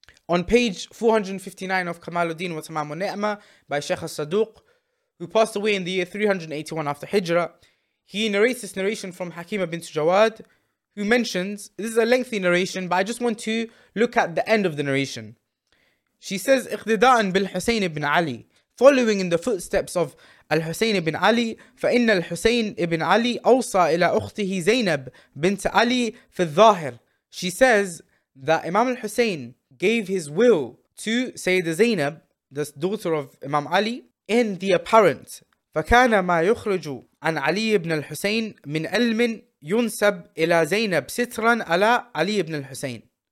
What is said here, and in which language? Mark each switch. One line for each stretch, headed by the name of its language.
English: On page 459 of Kamaluddin wa Tamamun Ni'mah by Sheikh al-Saduq, who passed away in the year 381 after Hijrah, he narrates this narration from Hakima bint Jawad, who mentions, this is a lengthy narration, but I just want to look at the end of the narration. She says,
Arabic: اقتداءً بالحسين بن علي,
English: following in the footsteps of
Arabic: الحسين بن علي, فإن الحسين بن علي أوصى إلى أخته زينب بنت علي في الظاهر.
English: She says that Imam al-Husayn gave his will to Sayyidah Zainab, the daughter of Imam Ali, in the apparent.
Arabic: فَكَانَ مَا يُخْرُجُ عَنْ عَلِيِّ بْنَ الْحُسَيْنِ مِنْ أَلْمٍ يُنْسَبْ إِلَى زَيْنَبْ سِتْرًا عَلَى عَلِيِّ بْنَ الْحُسَيْنِ.